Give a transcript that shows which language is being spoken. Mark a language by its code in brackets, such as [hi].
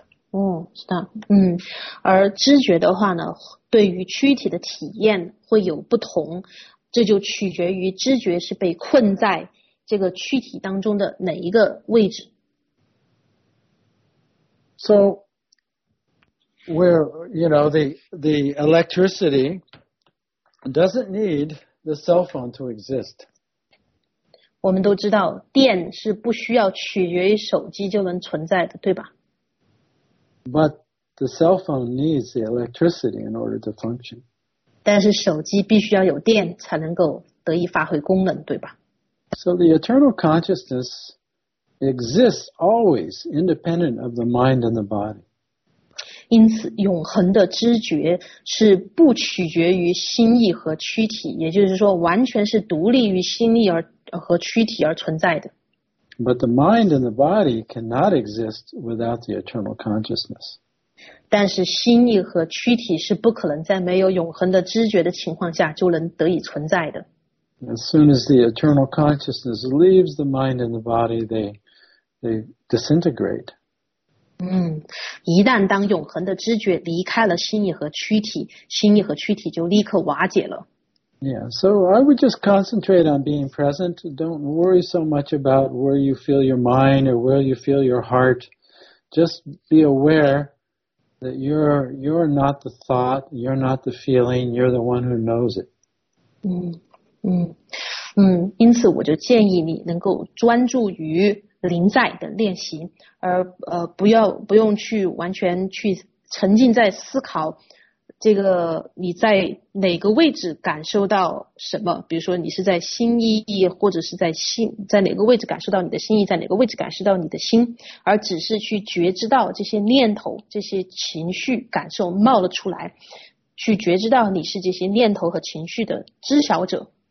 [zh] 哦，是的，而知觉的话呢，对于躯体的体验会有不同，这就取决于知觉是被困在这个躯体当中的哪一个位置。 [en] So, where, the electricity doesn't need the cell phone to exist. [zh] 我们都知道电是不需要取决于手机就能存在的，对吧？ [en] But the cell phone needs the electricity in order to function. [zh] 但是手机必须要有电才能够得以发挥功能，对吧？ [en] So the eternal consciousness exists always independent of the mind and the body. [zh] 因此永恒的知觉是不取决于心意和躯体，也就是说完全是独立于心意和躯体而存在的。 [en] But the mind and the body cannot exist without the eternal consciousness. [zh] 但是心意和躯体是不可能在没有永恒的知觉的情况下就能得以存在的。 [en] As soon as the eternal consciousness leaves the mind and the body, they disintegrate. [zh] 一旦当永恒的知觉离开了心意和躯体，心意和躯体就立刻瓦解了。 [en] Yeah, so I would just concentrate on being present. Don't worry so much about where you feel your mind or where you feel your heart. Just be aware that you're not the thought, you're not the feeling, you're the one who knows it. [zh] 因此我就建议你能够专注于临在的练习，而不用去完全去沉浸在思考这个你在哪个位置感受到什么，比如说你是在心意或者是在哪个位置感受到你的心意，在哪个位置感受到你的心，而只是去觉知到这些念头这些情绪感受冒了出来，去觉知到你是这些念头和情绪的知晓者。